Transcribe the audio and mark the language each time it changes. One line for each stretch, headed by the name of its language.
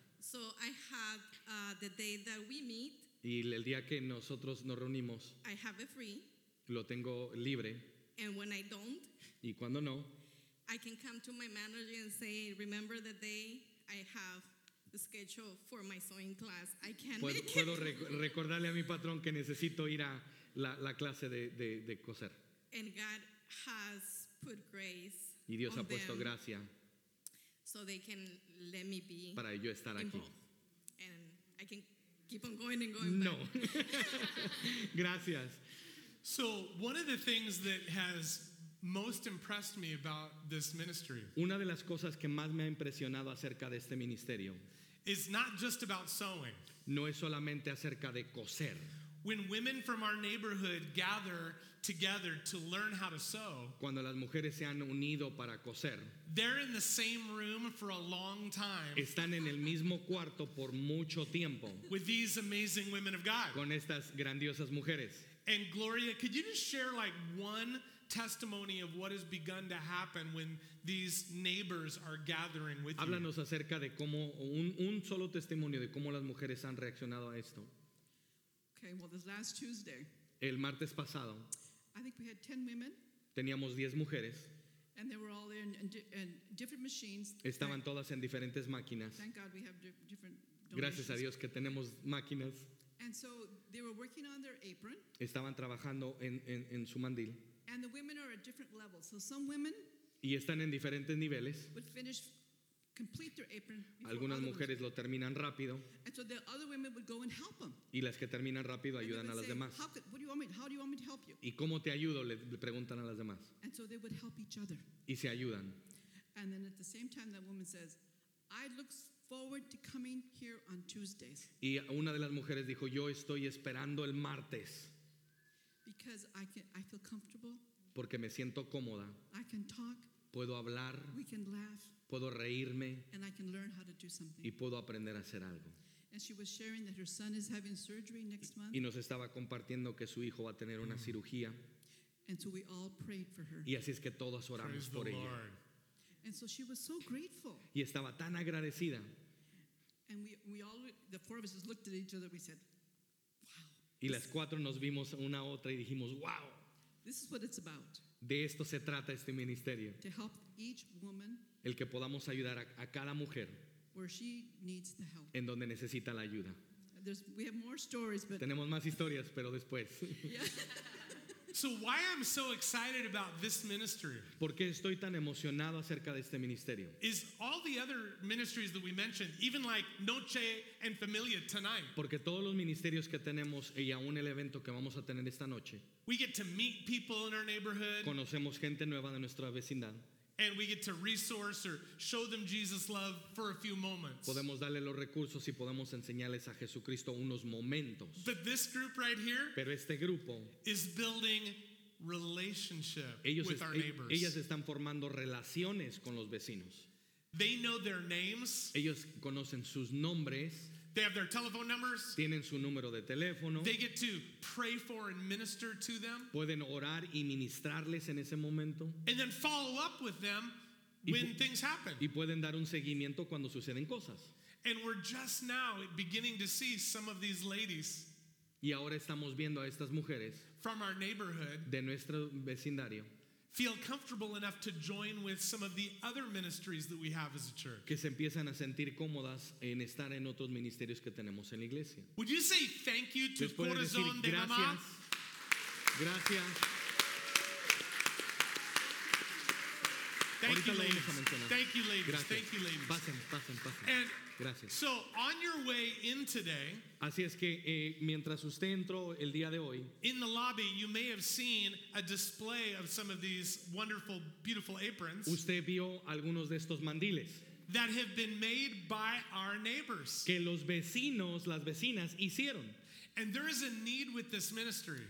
English: So I had the day that we meet.
Spanish: Y el día que nosotros nos reunimos.
English: I have it free.
Spanish: Lo tengo libre.
English: And when I don't.
Spanish: Y cuando no.
English: I can come to my manager and say, remember the day I have the schedule for my sewing class. I can't
Spanish: puedo,
English: make it.
Spanish: Puedo recordarle a mi patrón que necesito ir a la clase de coser.
English: And God has put grace on them.
Spanish: Y Dios ha puesto gracia.
English: So they can let me be involved.
Spanish: Para yo estar aquí.
English: And I can keep on going and going.
Spanish: No. Gracias.
English: So one of the things that has most impressed me about this ministry.
Spanish: Una de las cosas que más me ha impresionado acerca de este ministerio.
English: Is not just about sewing.
Spanish: No es solamente acerca de coser.
English: When women from our neighborhood gather together to learn how to sew.
Spanish: Cuando las mujeres se han unido para coser.
English: They're in the same room for a long time.
Spanish: Están en el mismo cuarto por mucho tiempo.
English: With these amazing women of God.
Spanish: Con estas grandiosas mujeres.
English: And Gloria, could you just share like one testimony of what has begun to happen when these neighbors are gathering with you.
Spanish: Háblanos acerca de cómo un solo testimonio de cómo las mujeres han reaccionado a esto.
English: Okay, well, this last Tuesday.
Spanish: El martes pasado.
English: I think we had 10 women.
Spanish: Teníamos 10 mujeres.
English: And they were all there in different machines.
Spanish: Estaban todas en diferentes máquinas.
English: Thank God we have different donations.
Spanish: Gracias a Dios que tenemos máquinas.
English: And so they were working on their apron.
Spanish: Estaban trabajando en su mandil.
English: And the women are at different levels. So some women
Spanish: y están en diferentes niveles.
English: Would finish, complete their apron.
Spanish: Algunas mujeres lo terminan rápido.
English: And so the other women would go and help them.
Spanish: Y las que terminan rápido ayudan a las demás.
English: How do you want me to help you?
Spanish: ¿Y cómo te ayudo? Le preguntan a las demás.
English: And so they would help each other.
Spanish: Y se ayudan.
English: And then at the same time that woman says, I look forward to coming here on Tuesdays.
Spanish: Y una de las mujeres dijo, yo estoy esperando el martes.
English: Because I feel comfortable.
Spanish: Porque me siento cómoda.
English: I can talk.
Spanish: Puedo hablar.
English: We can laugh.
Spanish: Puedo reírme.
English: And I can learn how to do something.
Spanish: Y puedo aprender a hacer algo.
English: And she was sharing that her son is having surgery next month.
Spanish: Y nos estaba compartiendo que su hijo va a tener una cirugía.
English: And so we all prayed for her.
Spanish: Y así es que todos oramos por
English: the
Spanish: ella.
English: Lord. And so she was so grateful.
Spanish: Y estaba tan agradecida.
English: And we all, the four of us just looked at each other, we said, wow.
Spanish: Y las cuatro nos vimos una a otra y dijimos, wow.
English: This is what it's about.
Spanish: De esto se trata este ministerio.
English: To help each woman.
Spanish: El que podamos ayudar a cada mujer.
English: Where she needs the help.
Spanish: En donde necesita la ayuda.
English: There's, we have more stories, but.
Spanish: Tenemos más historias, pero después.
English: So why I'm so excited about this ministry?
Spanish: ¿Por qué estoy tan emocionado acerca de este ministerio?
English: Is all the other ministries that we mentioned, even like Noche and Familia tonight.
Spanish: Porque todos los ministerios que tenemos y aún el evento que vamos a tener esta noche.
English: We get to meet people in our neighborhood.
Spanish: Conocemos gente nueva de nuestra vecindad.
English: And we get to resource or show them Jesus' love for a few moments.
Spanish: Podemos darle los recursos y podemos enseñarles a Jesucristo unos momentos.
English: But this group right here,
Spanish: pero este grupo,
English: is building relationship ellos with our neighbors.
Spanish: Ellas están formando relaciones con los vecinos.
English: They know their names.
Spanish: Ellos conocen sus nombres.
English: They have their telephone numbers.
Spanish: Tienen su número de teléfono.
English: They get to pray for and minister to them.
Spanish: Pueden orar y ministrarles en ese momento.
English: And then follow up with them when things happen.
Spanish: Y pueden dar un seguimiento cuando suceden cosas.
English: And we're just now beginning to see some of these ladies.
Spanish: Y ahora estamos viendo a estas mujeres
English: from our neighborhood
Spanish: de nuestro vecindario.
English: Feel comfortable enough to join with some of the other ministries that we have as a church.
Spanish: Que se empiezan a sentir cómodas en estar en otros ministerios que tenemos en la iglesia.
English: Would you say thank you to Corazón de Mamá?
Spanish: Gracias.
English: Thank you, ladies. Thank you, ladies.
Spanish: Gracias.
English: Thank you, ladies.
Spanish: Pasen, pasen, pasen.
English: And
Spanish: gracias.
English: So on your way in today,
Spanish: así es que mientras usted entró el día de hoy,
English: in the lobby you may have seen a display of some of these wonderful, beautiful aprons.
Spanish: Usted vio algunos de estos mandiles
English: that have been made by our neighbors.
Spanish: Que los vecinos, las vecinas hicieron.
English: And there is a need with this ministry.